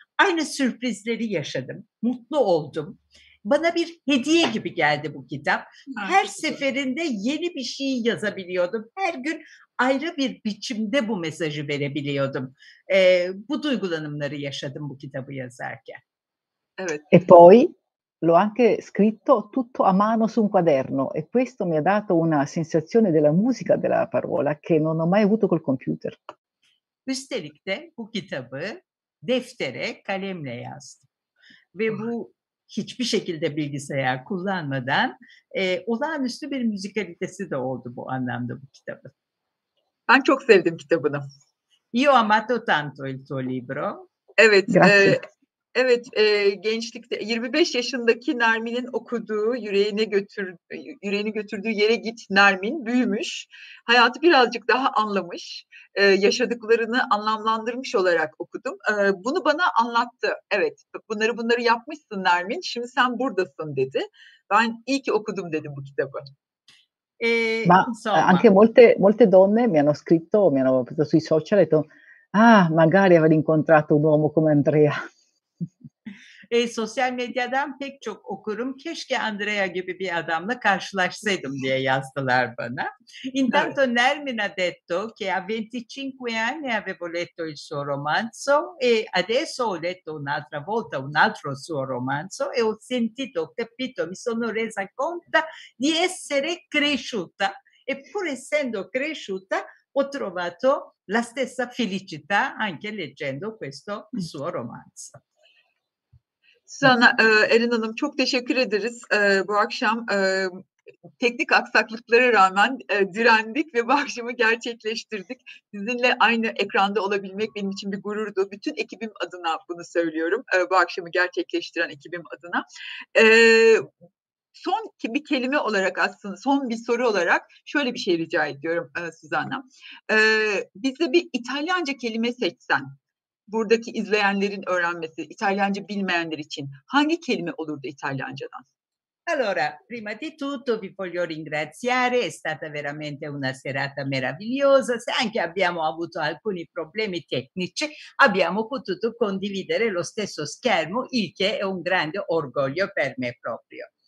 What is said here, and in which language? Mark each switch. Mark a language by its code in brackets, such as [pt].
[tr] Aynı sürprizleri yaşadım, mutlu oldum. Bana bir hediye gibi geldi bu kitap. Her seferinde yeni bir şey yazabiliyordum. Her gün ayrı bir biçimde bu mesajı verebiliyordum. Bu duygulanımları yaşadım bu kitabı yazarken. Evet. [it] E poi? L'ho anche scritto tutto a mano su un quaderno e questo mi ha dato una sensazione della musica della parola che non ho mai avuto col computer. [tr] Üstelik de bu kitabı deftere kalemle yazdım. Ve bu hiçbir şekilde bilgisayar kullanmadan olağanüstü bir müzikalitesi de oldu bu anlamda bu kitabın. Ben çok sevdim kitabını. [it] Io amato tanto il tuo libro. [tr] Evet. Evet, gençlikte 25 yaşındaki Nermin'in okuduğu, yüreğini götürdüğü yere git Nermin büyümüş. Hayatı birazcık daha anlamış, yaşadıklarını anlamlandırmış olarak okudum. Bunu bana anlattı. Evet, bunları yapmışsın Nermin, şimdi sen buradasın dedi. Ben iyi ki okudum dedim bu kitabı. [it] Ma anche molte donne mi hanno scritto, mi hanno preso sui social e detto "Ah, magari aver incontrato un uomo come Andrea." [tr] Sosyal medyadan pek çok okurum. Keşke Andrea gibi bir adamla karşılaşsaydım diye yazdılar bana. [it] Intanto Nermin ha detto che a 25 anni avevo letto il suo romanzo e adesso ho letto un'altra volta un altro suo romanzo e ho sentito, ho capito, mi sono resa conto di essere cresciuta e pur essendo cresciuta ho trovato la stessa felicità anche leggendo questo suo romanzo. [tr] Suzan Erin Hanım, çok teşekkür ederiz bu akşam teknik aksaklıklara rağmen direndik ve bu akşamı gerçekleştirdik. Sizinle aynı ekranda olabilmek benim için bir gururdu. Bütün ekibim adına bunu söylüyorum. Bu akşamı gerçekleştiren ekibim adına. Son bir kelime olarak aslında, son bir soru olarak şöyle bir şey rica ediyorum Suzanna. Bize bir İtalyanca kelime seçsen, buradaki izleyenlerin öğrenmesi, İtalyanca bilmeyenler için hangi kelime olurdu İtalyancadan? [it] Allora, prima di tutto vi voglio ringraziare, è stata veramente una serata meravigliosa, se anche abbiamo avuto alcuni problemi tecnici, abbiamo potuto condividere lo stesso schermo, il che è un grande orgoglio per me proprio.